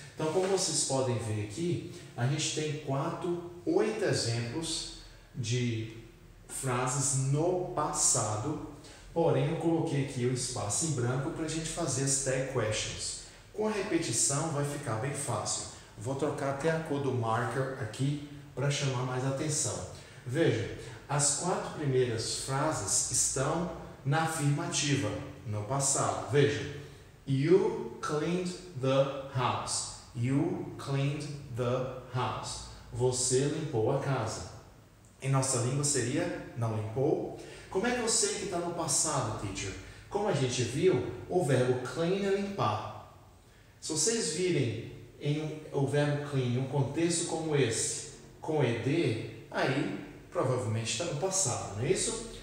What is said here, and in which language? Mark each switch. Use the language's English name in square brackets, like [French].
[Portuguese] Então, como vocês podem ver aqui, a gente tem 8 exemplos de frases no passado, porém eu coloquei aqui o espaço em branco para a gente fazer as tag questions. Com a repetição vai ficar bem fácil. Vou trocar até a cor do marker aqui para chamar mais atenção. Veja, as 4 primeiras frases estão na afirmativa, no passado. [English] Veja, you cleaned the house. You cleaned the house. [Portuguese] Você limpou a casa. Em nossa língua seria não limpou. Como é que eu sei que está no passado, teacher? Como a gente viu, o verbo clean é limpar. Se vocês virem em o verbo clean em um contexto como esse, com ed, aí provavelmente está no passado, não é isso?